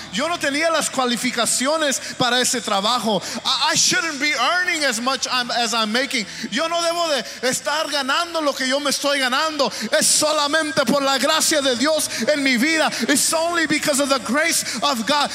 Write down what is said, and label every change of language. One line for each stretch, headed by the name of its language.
Spanish: Yo no tenía las cualificaciones para ese trabajo.
English: I shouldn't be earning as much as I'm making.
Spanish: Yo no debo de estar ganando lo que yo me estoy ganando. Es solamente por la gracia de Dios en mi vida.
English: It's only because of the grace of God.